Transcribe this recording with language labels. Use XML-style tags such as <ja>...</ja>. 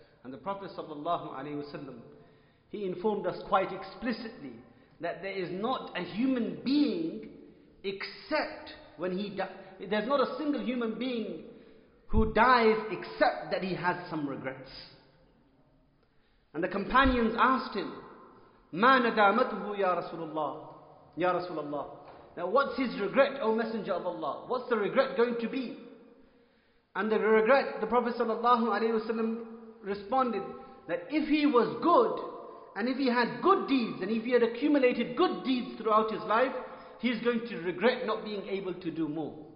<en>And the Prophet sallallahu alaihi wasallam, he informed us quite explicitly that there is not a human being except when he dies. There's not a single human being who dies except that he has some regrets. And the companions asked him,</en> <ar>مَا نَدَامَتُهُ يَا رَسُولُ اللَّهِ يَا رَسُولَ اللَّهِ.</ar> <en>Now what's his regret, O Messenger of Allah? What's the regret going to be? And the regret, the Prophet sallallahu alayhi wasallam responded that if he was good, and if he had good deeds, and if he had accumulated good deeds throughout his life, he's going to regret not being able to do more.</en>